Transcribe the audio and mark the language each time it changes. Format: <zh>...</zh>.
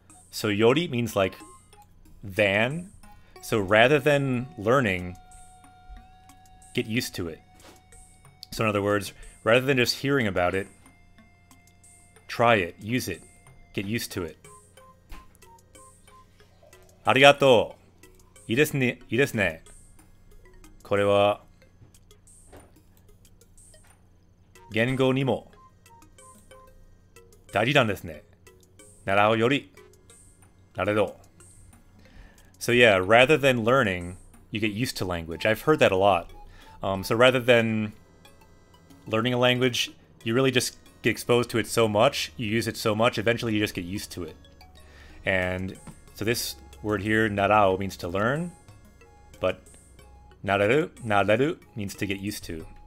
<en>So yori means like than. So rather than learning, get used to it. So in other words, rather than just hearing about it, try it, use it, get used to it.</en> <ja>Arigato. いいですね。いいですね。これは言語にも大事なんですね。習うより</ja> <en>Not at all. So yeah, rather than learning, you get used to language. I've heard that a lot. So rather than learning a language, you really just get exposed to it so much, you use it so much, eventually you just get used to it. And so this word here, narau, means to learn, but nararu means to get used to.</en>